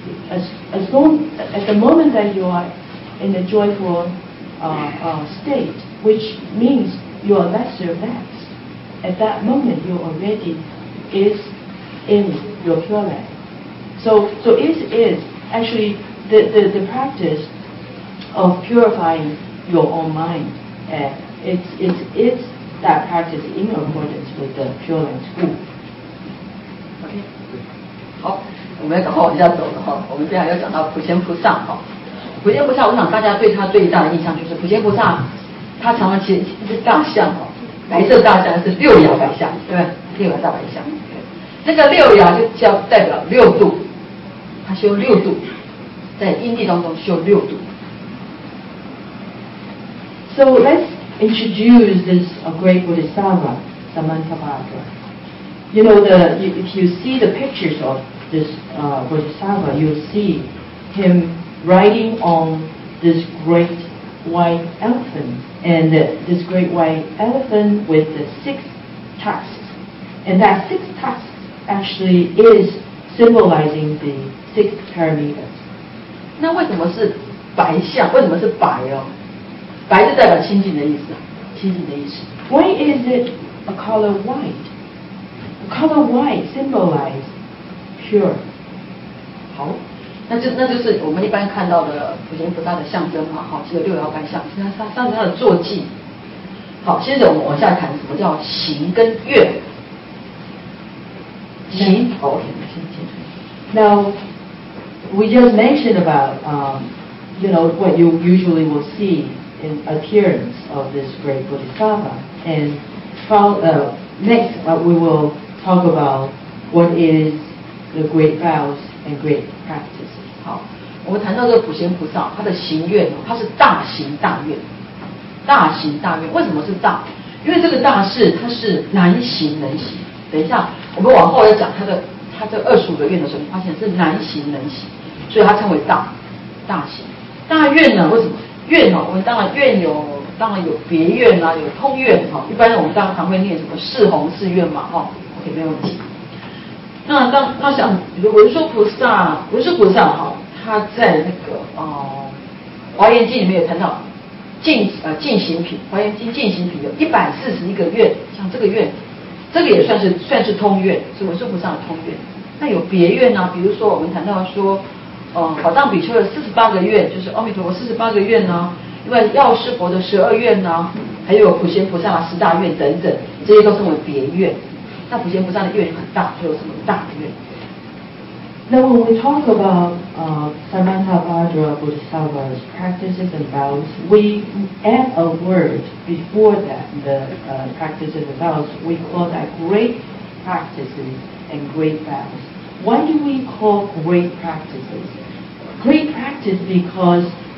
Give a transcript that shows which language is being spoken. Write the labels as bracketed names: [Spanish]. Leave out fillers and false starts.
[English] At the moment that you are in a joyful state, which means you are lesser vexed, at that moment you already is in your Pure Land. So it is actually the practice of purifying your own mind at It's that practice in accordance with the Pure Land School. [Chinese] OK， 好，我们要好往下走了哈。我们接下来要讲到普贤菩萨哈。普贤菩萨，我想大家对他最大的印象就是普贤菩萨，他常常骑一只大象哈，白色大象是六牙白象，对吧？六牙大白象，那个六牙就叫代表六度，他修六度，在因地当中修六度。 [English] So let's introduce this great Bodhisattva, Samantabhadra. You know, if you see the pictures of this Bodhisattva, you'll see him riding on this great white elephant, and this great white elephant with the six tusks. And that six tusks actually is symbolizing the six parameters. [Chinese] 那为什么是白象？为什么是白哦？白是代表清净的意思，清净的意思。 [English] Why is it a color white? A color white symbolizes pure. [Chinese] 好，那就是我们一般看到的普贤菩萨的象征嘛，好，只有六爻白象，它是它的坐骑。好，接着我们往下谈什么叫行跟月。行 ，OK， 先清楚。 [English] Now we just mentioned about you know what you usually will see. In appearance of this great Bodhisattva, and next, we will talk about what is the great vows and great practices. [Chinese] 好，我们谈到这个普贤菩萨，他的行愿，他是大行大愿，大行大愿。为什么是大？因为这个大事它是难行能行。等一下，我们往后来讲他这二十五个愿的时候，发现是难行能行，所以他称为大，大行大愿呢？为什么？愿哦，我们当然愿有，当然有别愿啊，有通愿哈、哦。一般我们当然常会念什么四弘誓愿嘛，哈、哦、，OK 没问题。那像文殊菩萨哈、哦，他在那个华严经里面有谈到净行品，华严经净行品有141个愿，像这个愿，这个也算是通愿，是文殊菩萨的通愿。那有别愿呢、啊？比如说我们谈到说。宝藏比丘的48个愿，就是阿弥陀佛48个愿呢，另外药师佛的12愿呢，还有普贤菩萨的十大愿等等，这些都称为别愿。那普贤菩萨的愿很大，就有什么大的愿。 [English] Now when we talk about Samantabhadra Bodhisattva's practices and vows, we add a word before that, the practices and vows, we call that great practices and great vows. Why do we call great practices? Great practice because